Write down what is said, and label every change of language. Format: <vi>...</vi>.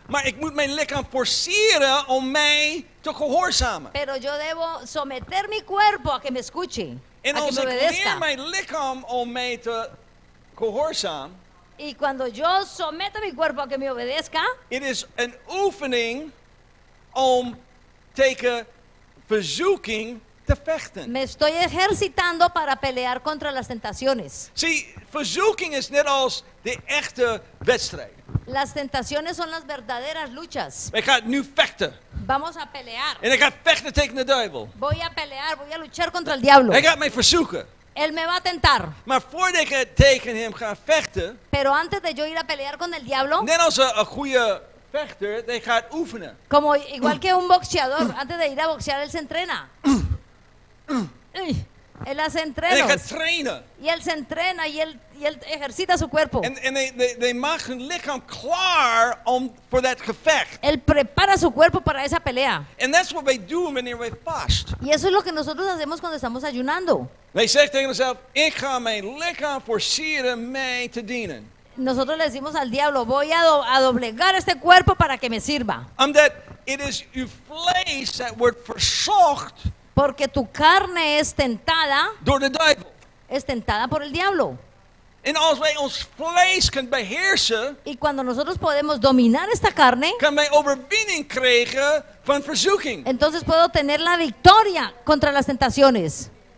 <nl>Maar ik moet mijn lichaam forceren om mij te gehoorzamen.</nl> <es>Pero yo debo someter mi cuerpo a que me escuche.</es> <nl>En</nl> <es>a</es> <nl>als</nl> <es>que</es> <nl>ik</nl> <es>me obedezca.</es> <nl>Leer mijn lichaam om mij te gehoorzamen.</nl> <es>Y cuando yo someto mi cuerpo a que me obedezca.</es> <en>It is an</en> <nl>oefening om tegen verzoeking te vechten.</nl> <es>Me estoy ejercitando para pelear contra las tentaciones.</es> <nl>See, verzoeking is net als de echte wedstrijd.</nl> <es>Las tentaciones son las verdaderas luchas.</es> <nl>Ik ga nu vechten.</nl> <es>Vamos a pelear.</es> <nl>En ik ga vechten tegen de duivel.</nl> <es>Voy a pelear, voy a luchar contra el diablo.</es> <nl>Hij gaat mij verzoeken.</nl> <es>Él me va a tentar.</es> <nl>Maar voordat ik tegen hem ga vechten.</nl> <es>Pero antes de yo ir a pelear con el diablo.</es> <nl>Net als een goede vechter, hij gaat oefenen.</nl> <es>Como igual que un boxeador, antes de ir a boxear él se entrena. Él hace entrenos.</es> <nl>En hij gaat trainen.</nl> <es>Y él se entrena y él ejercita su cuerpo.</es> <nl>En hij maakt zijn lichaam klaar om voor dat gevecht.</nl> <es>Él prepara su cuerpo para esa pelea.</es> <en>And that's what we do when we fast.</en> <es>Y eso es lo que nosotros hacemos cuando estamos ayunando.</es> <nl>Hij zegt tegen zichzelf: ik ga mijn lichaam forceren mij te dienen.</nl> <es>Nosotros le decimos al diablo, voy a doblegar este cuerpo para que me sirva.</es> <en>That it is your flesh that word versucht.</en> <es>Porque tu carne es tentada.</es> <nl>Door de duivel.</nl> <es>Es tentada por el diablo.</es> <nl>En als wij ons vlees kunnen beheersen.</nl> <es>Y cuando nosotros podemos dominar esta carne.</es> <nl>Kan wij overwinning krijgen van verzoeking.</nl> <es>Entonces puedo tener la victoria contra las tentaciones.</es>